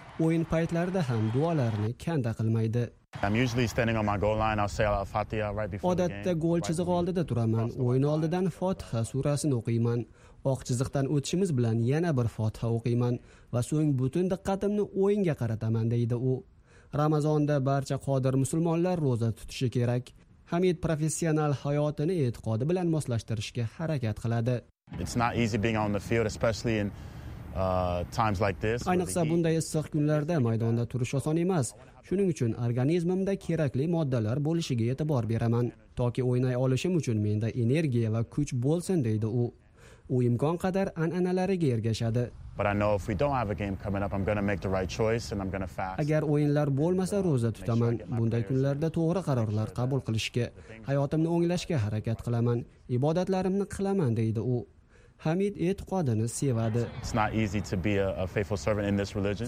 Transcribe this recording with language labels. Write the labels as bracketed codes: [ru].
[uz] O'yin paytlarida ham duolarini kanda qilmaydi. [en] I'm usually standing on my goal line. I'll say Al-Fatiha right before [uz] odatta [en] the game. [uz] Gol chizig'i oldida turaman. O'yin oldidan Fotiha surasini o'qiyman. Oq chiziqdan o'tishimiz bilan yana bir Fotiha o'qiyman va so'ng butun diqqatimni o'yinga qarataman, deydi u. Ramazonda barcha qodir musulmonlar roza tutishi kerak. Hamid professional hayotini e'tiqodi bilan moslashtirishga harakat qiladi. [en] It's not easy being on the field, especially in times like this. [uz] Ayniqsa bunday issiq kunlarda maydonda turish oson emas. Shuning uchun organizmimda kerakli moddalar bo'lishiga e'tibor beraman, toki o'ynay olishim uchun menda energiya va kuch bo'lsin, deydi u. U imkon qadar an'analariga ergashadi. [en] But I know if we don't have a game coming up, I'm going to make the right choice and I'm going to fast. [uz] Agar o'yinlar bo'lmasa, roza tutaman. Bunday kunlarda to'g'ri qarorlar qabul qilishga, hayotimni o'nglashga harakat qilaman, ibodatlarimni qilaman, deydi u. Hamid e'tiqodini sevadi. [en] It's not easy to be a faithful servant in this religion.